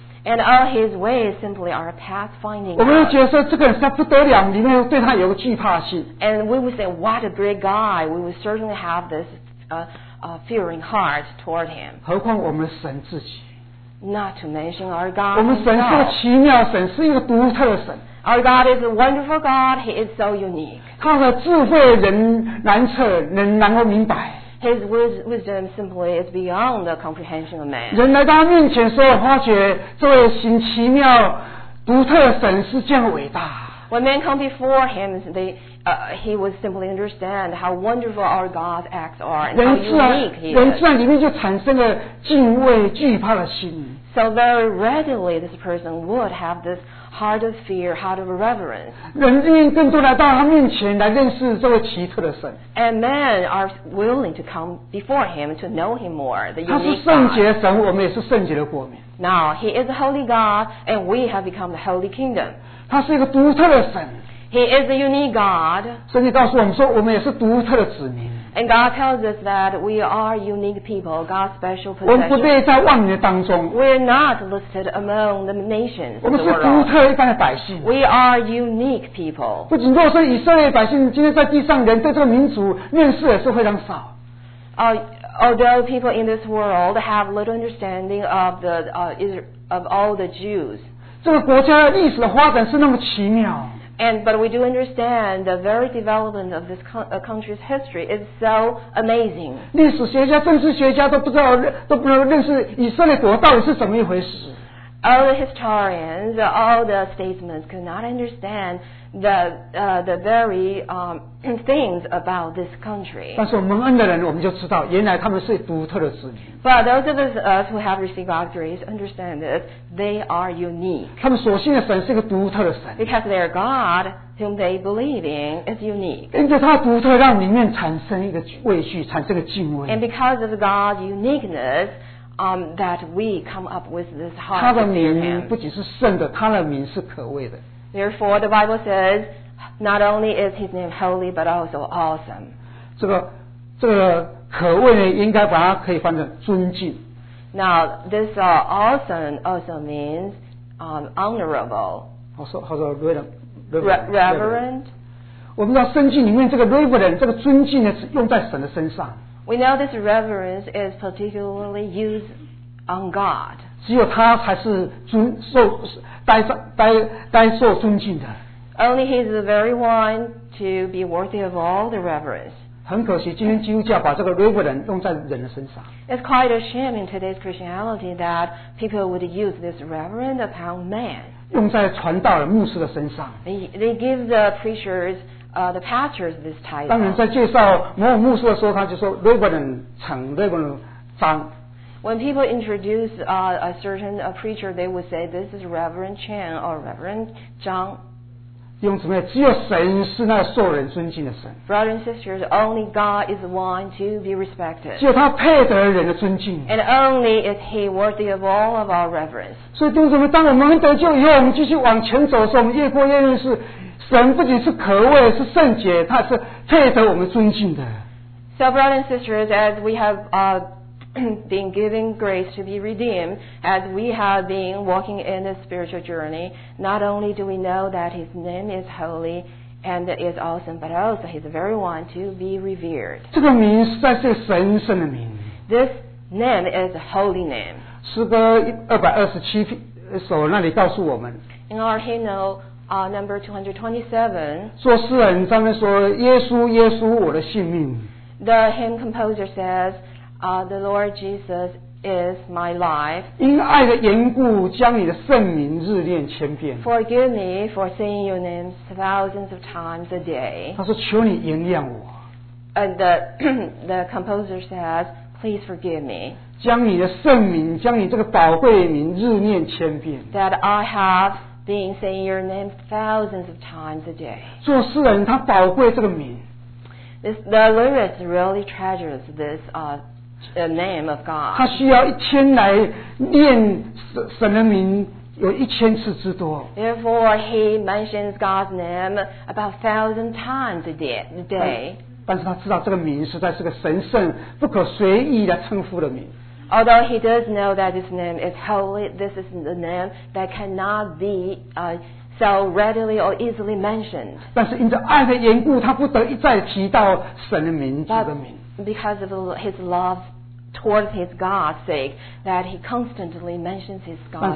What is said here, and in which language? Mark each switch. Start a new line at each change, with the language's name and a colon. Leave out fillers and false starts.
English: And all his ways simply are a path finding.
Chinese: 我们会觉得说这个人实在不得了，里面对他有个惧怕心。
English: And we would say, what a great guy! We would certainly have this fearing heart toward him.
Chinese: 何况我们神自己。
English: Not to mention our God.
Chinese: 我们神是个奇妙神，是一个独特的神。
English: Our God is a wonderful God. He is so unique.
Chinese: 他的智慧人难测，人难够明白。
English: His wisdom simply is beyond the comprehension of man.
Chinese: 人来到他面前说，发觉这位行奇妙、独特的神是这样伟大。
English: When men come before him, he would simply understand how wonderful our God's acts are and how unique he is.
Chinese: 人自然里面就产生了敬畏、惧怕的心。
English: So very readily, this person would have this heart of fear, heart of reverence.
Chinese: 人愿更多来到他面前来认识这位奇特的神。
English: And men are willing to come before him to know him more. The unique God.
Chinese: 他是圣洁的神，我们也是圣洁的国民。
English: Now he is a holy God, and we have become the holy kingdom.
Chinese: 他是一个独特的神。
English: He is a unique God.
Chinese: 圣经告诉我们说，我们也是独特的子民。
English: And God tells us that we are unique people, God's special possession.
Chinese: 我们不列在万民当中。
English: We're not listed among the nations.
Chinese: 我们是独特一般的百姓。
English: We are unique people.
Chinese: 不仅若是以色列百姓，今天在地上人对这个民族认识也是非常少。
English: Although people in this world have little understanding of the of all the Jews.
Chinese: 这个国家历史的发展是那么奇妙。
English: But we do understand the very development of this country's history is so amazing.
Chinese: 历史学家、政治学家都不知道，都不能认识以色列国到底是怎么一回事。
English: All the historians, all the statesmen could not understand the very things about this country.
Chinese: 但是我们恩的人，我们就知道，原来他们是独特的子民。
English: But those of us who have received God's grace understand this, they are unique.
Chinese: 他们所信的神是一个独特的神。
English: Because their God, whom they believe in, is unique.
Chinese: 因着他独特，让里面产生一个畏惧，产生一个敬畏。
English: And because of God's uniqueness,that we come up with this heart.
Chinese: 他的名不仅是圣的，他的名是可畏的。
English: Therefore, the Bible says, not only is his name holy, but also awesome.
Chinese: 这个可畏呢，应该把它可以翻成尊敬。
English: Now, this awesome also means honorable.
Chinese: 好说
English: reverent.
Chinese: 我们知道圣经里面这个 reverent 这个尊敬呢，是用在神的身上。
English: We know this reverence is particularly used on God.
Chinese: 只有他才是尊受担上担受尊敬的。
English: Only He is the very one to be worthy of all the reverence.
Chinese: 很可惜，今天基督教把这个 reverence 用在人的身上。
English: It's quite a shame in today's Christianity that people would use this reverence upon man.
Chinese: 用在传道人、牧师的身上。
English: They give the preachers. The pastors this title.
Chinese: 当然，在介绍某某牧师的时候，他就说 "Reverend 成 Reverend 张
English: When people introduce a certain preacher, they would say, "This is Reverend Chen or Reverend Zhang."
Chinese: 弟兄姊妹，只有神是那受人尊敬的神。
English: Brothers and sisters, only God is the one to be respected.
Chinese: 只有他配得人的尊敬。
English: And only is He worthy of all of our reverence.
Chinese: 所以，弟兄姊妹，当我们得救以后，我们继续往前走的时候，我们越过越认识。神不仅是可畏，是圣洁，他是配得我们尊敬的。
English: So, brothers and sisters, as we have been given grace to be redeemed, as we have been walking in the spiritual journey, not only do we know that His name is holy and is awesome, but also He's the very one to be revered.
Chinese: 这个名实在是神圣的名。
English: This name is a holy name.
Chinese: 诗歌227首那里告诉我们。
English: In our hymnal,number 227.
Chinese: 作诗人上面说：“耶稣，耶稣，我的性命。”
English: The hymn composer says, "The Lord Jesus is my life."
Chinese: 因爱的缘故，将你的圣名日念千遍。
English: Forgive me for saying your name thousands of times a day.
Chinese: 他说：“求你原谅我。”
English: And the composer says, "Please forgive me."
Chinese: 将你的圣名，将你这个宝贵的名日念千遍。
English: That I have. Been saying your name thousands of times a day.
Chinese: 作诗人他宝贵这个名。
English: The lyrist really treasures this name of God.
Chinese: 他需要一天来念神的名有一千次之多。
English: Therefore, he mentions God's name about thousand times a day.
Chinese: 但是他知道这个名实在是个神圣不可随意的称呼的名。
English: Although he does know that his name is holy, this is the name that cannot be so readily or easily mentioned.
Chinese: 但是因着爱的缘故，他不得一再提到神的名字的名。
English: But because of his love towards his God's sake, that he constantly mentions his God's name.